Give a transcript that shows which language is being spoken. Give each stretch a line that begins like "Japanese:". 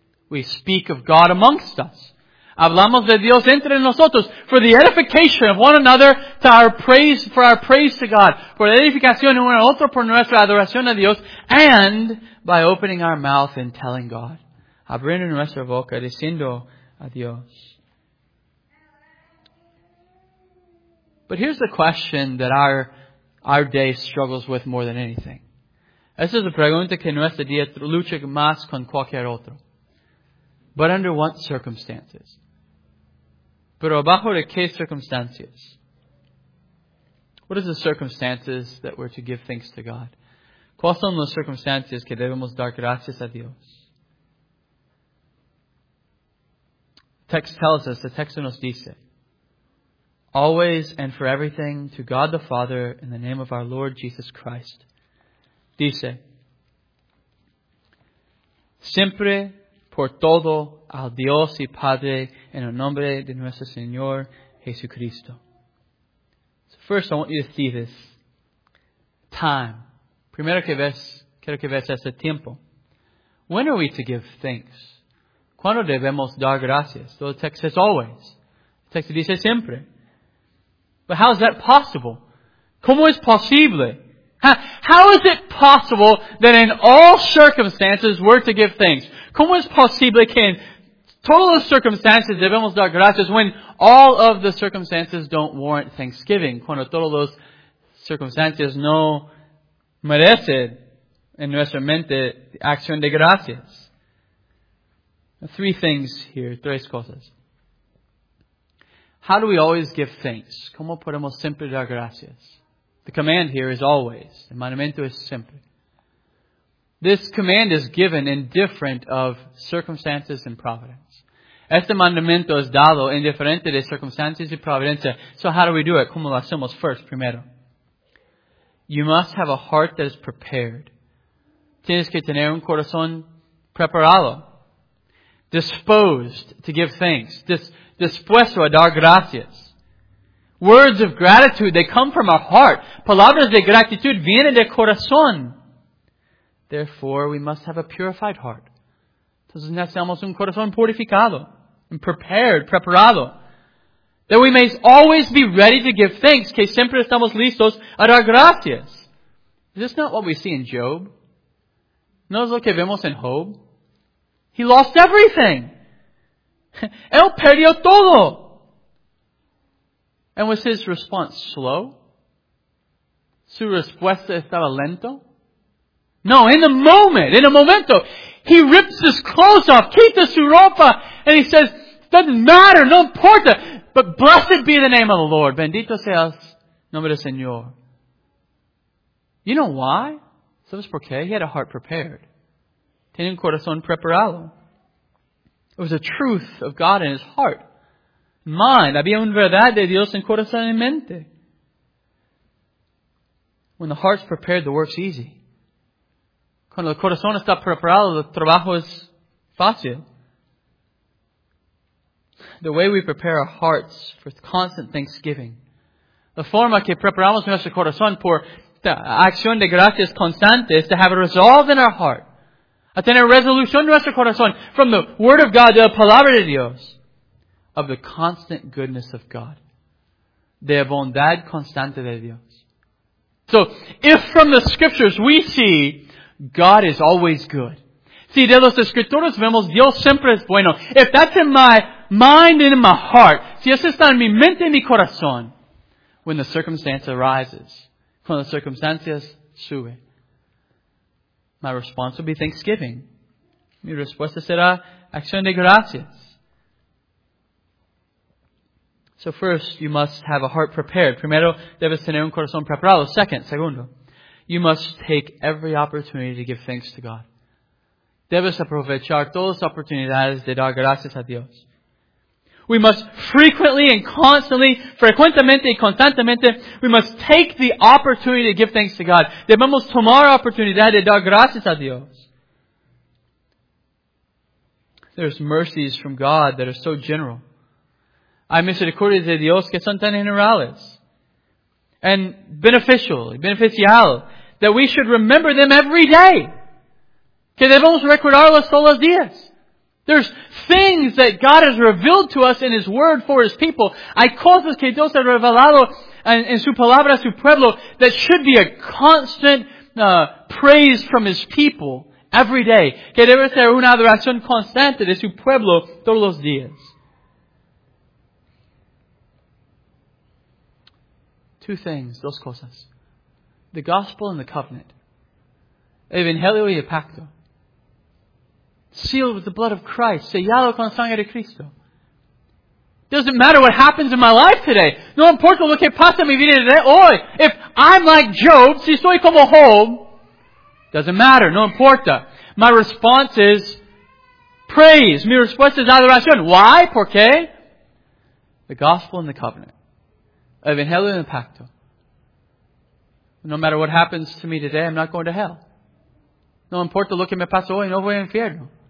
English: We speak of God amongst us.
Spanish: Hablamos de Dios entre nosotros
English: for the edification of one another, to our praise, for our praise to God.
Spanish: Por la edificación de uno a otro, por nuestra adoración a Dios.
English: And by opening our mouth and telling God.
Spanish: Abriendo nuestra boca, diciendo a Dios.
English: But here's the question that our day struggles with more than anything.
Spanish: Esa es la pregunta que nuestro día lucha más con cualquier otro.
English: But under what circumstances?
Spanish: Pero bajo de qué circunstancias?
English: What are the circumstances that we're to give thanks to God?
Spanish: ¿Cuáles son las circunstancias que debemos dar gracias a Dios?
English: The text
Spanish: nos dice,
English: always and for everything to God the Father in the name of our Lord Jesus Christ.
Spanish: Dice, siempre por todo al Dios y Padre en el nombre de nuestro Señor Jesucristo.
English: So first I want you to see this. Time.
Spanish: Primero que ves, quiero que ves ese tiempo.
English: When are we to give thanks?
Spanish: ¿Cuándo debemos dar gracias?
English: So the text says always. The text
Spanish: dice siempre.
English: But how is that possible?
Spanish: ¿Cómo es posible?
English: How is it possible that in all circumstances we're to give thanks?
Spanish: ¿Cómo es posible que en todas las circunstancias debemos dar gracias
English: when all of the circumstances don't warrant thanksgiving?
Spanish: Cuando todas las circunstancias no merecen en nuestra mente acción de gracias.
English: Three things here,
Spanish: tres cosas.
English: How do we always give thanks?
Spanish: ¿Cómo podemos siempre dar gracias?
English: The command here is always.
Spanish: El mandamiento es siempre.
English: This command is given indifferent of circumstances and providence.
Spanish: Este mandamiento es dado indiferente de circunstancias y providencia.
English: So how do we do it?
Spanish: ¿Cómo lo hacemos?
English: First,
Spanish: primero.
English: You must have a heart that is prepared.
Spanish: Tienes que tener un corazón preparado.
English: Disposed to give thanks.
Spanish: Dispuesto a dar gracias.
English: Words of gratitude, they come from our heart.
Spanish: Palabras de gratitud vienen del corazón.
English: Therefore, we must have a purified heart.
Spanish: Entonces necesitamos un corazón purificado.
English: And preparado. That we may always be ready to give thanks.
Spanish: Que siempre estamos listos a dar gracias.
English: Is this not what we see in Job?
Spanish: ¿No es lo que vemos en Job?
English: He lost everything.
Spanish: Él perdió todo.
English: And was his response slow?
Spanish: ¿Su respuesta estaba lento?
English: No, in a momento, he rips his clothes off,
Spanish: quita su ropa,
English: and he says, doesn't matter,
Spanish: no importa,
English: but blessed be the name of the Lord.
Spanish: Bendito sea el nombre del Señor.
English: You know why?
Spanish: ¿Sabes por qué?
English: He had a heart prepared.
Spanish: Tiene un corazón preparado.
English: It was a truth of God in his heart. Mind.
Spanish: Había una verdad de Dios en corazón y mente.
English: When the heart's prepared, the work's easy.
Spanish: Cuando el corazón está preparado, el trabajo es fácil.
English: The way we prepare our hearts for constant thanksgiving.
Spanish: La forma que preparamos nuestro corazón por la acción de gracias constante
English: is to have a resolve in our heart.
Spanish: A tener resolución en nuestro corazón
English: from the Word of God,
Spanish: de la Palabra de Dios.
English: Of the constant goodness of God.
Spanish: De la bondad constante de Dios.
English: So, if from the Scriptures we see God is always good.
Spanish: Si de los escrituras vemos Dios siempre es bueno.
English: If that's in my mind and in my heart.
Spanish: Si eso está en mi mente y mi corazón.
English: When the circumstance arises.
Spanish: Cuando las circunstancias suben.
English: My response will be thanksgiving.
Spanish: Mi respuesta será acción de gracias.
English: So first, you must have a heart prepared.
Spanish: Primero, debes tener un corazón preparado. Segundo.
English: You must take every opportunity to give thanks to God.
Spanish: Debes aprovechar todas las oportunidades de dar gracias a Dios.
English: We must frequently and constantly,
Spanish: frecuentemente y constantemente,
English: we must take the opportunity to give thanks to God.
Spanish: Debemos tomar la oportunidad de dar gracias a Dios.
English: There's mercies from God that are so general.
Spanish: Hay misericordias de Dios que son tan generales.
English: And beneficial, that we should remember them every day.
Spanish: Que debemos recordarlos todos los días.
English: There's things that God has revealed to us in His Word for His people.
Spanish: Hay cosas que Dios ha revelado en su palabra, su pueblo,
English: that should be a constant praise from His people every day.
Spanish: Que debe ser una adoración constante de su pueblo todos los días.
English: Two things,
Spanish: dos cosas.
English: The gospel and the covenant.
Spanish: Evangelio y el pacto.
English: Sealed with the blood of Christ.
Spanish: Sellado con sangre de Cristo.
English: Doesn't matter what happens in my life today.
Spanish: No importa lo que pasa en mi vida today. Hoy,
English: if I'm like Job,
Spanish: si soy como Job,
English: doesn't matter,
Spanish: no importa.
English: My response is praise.
Spanish: Mi respuesta es adoración.
English: Why?
Spanish: ¿Por qué?
English: The gospel and the covenant.
Spanish: Evangelio y el pacto.
English: No matter what happens to me today, I'm not going to hell.
Spanish: No importa lo que me pasa hoy, no voy al infierno.